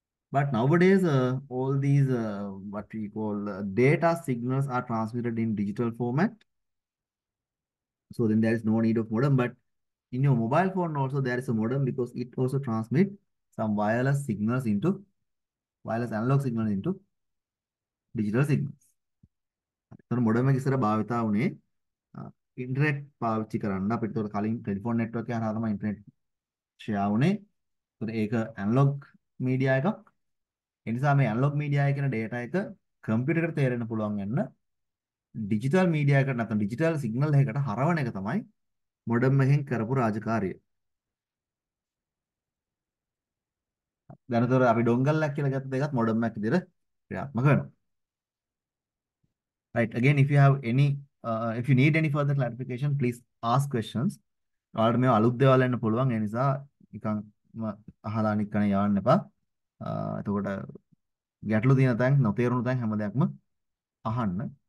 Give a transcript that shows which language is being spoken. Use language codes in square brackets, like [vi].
[en] But nowadays, all these what we call data signals are transmitted in digital format. So then there is no need of modem. But in your mobile phone also there is a modem because it also transmits some wireless signals into wireless analog signals into digital signals. [si] So modem එක ඉස්සර භාවිතා වුණේ internet පාවිච්චි කරන්න අපිට කලින් telephone network එක හරහාම internet share වුණේ ඒක ඇනලොග් මීඩියා එකක්. ඒ නිසා මේ ඇනලොග් මීඩියා එකේන ඩේටා එක කම්පියුටරේට තේරෙන්න පුළුවන් වෙන්න ඩිජිටල් මීඩියා එකකට නැත්නම් ඩිජිටල් සිග්නල් එකකට හරවන එක තමයි මොඩර්න් එකෙන් කරපු රාජකාරිය. දැනතර අපි ඩොංගල්ලක් කියලා ගත්ත දෙයක් මොඩර්න් එකක් විදිහට ක්‍රියාත්මක කරනවා. [en] Right, again, if you have any, if you need any further clarification, please ask questions. [si] ඔයාලට මේ අලුත් දේවල් එන්න පුළුවන් ඒ නිසා නිකන් අහලා නිකන් යවන්න එපා. එතකොට ගැටලු තියෙන තැන් නොතේරුණු තැන් හැම දෙයක්ම අහන්න.